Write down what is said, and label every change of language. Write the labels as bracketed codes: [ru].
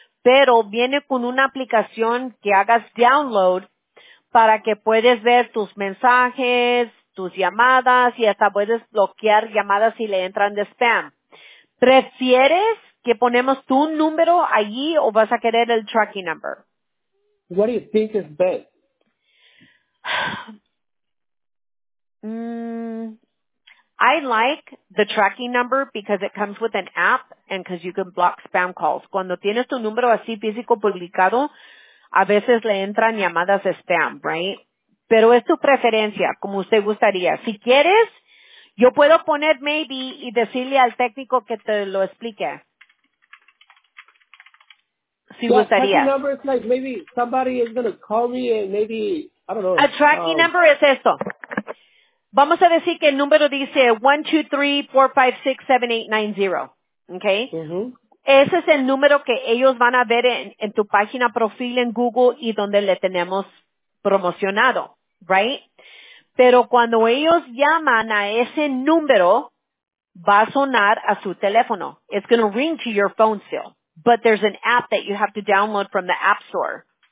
[es] Pero viene con una aplicación que hagas download para que puedes ver tus mensajes, tus llamadas y hasta puedes bloquear llamadas si le entran de spam. ¿Prefieres que ponemos tu número allí o vas a querer el tracking number? [en] What do you think is best? I like the tracking number because it comes with an app and because you can block spam calls. [es] Cuando tienes tu número así físico publicado, a veces le entran llamadas de spam, right? Pero es tu preferencia, como usted gustaría. Si quieres, yo puedo poner maybe y decirle al técnico que te lo explique. Si [en] yeah, [es] gustaría. [en] Tracking number is like maybe somebody is going to call me and maybe, I don't know. [es] A tracking number es esto. Vamos a decir que el número dice 123-456-7890, ¿okay? Uh-huh. Ese es el número que ellos van a ver en tu página profil en Google y donde le tenemos promocionado, ¿right? Pero cuando ellos llaman a ese número, va a sonar a su teléfono. [en] It's going to ring to your phone still. But there's an app that you have to download from the App Store.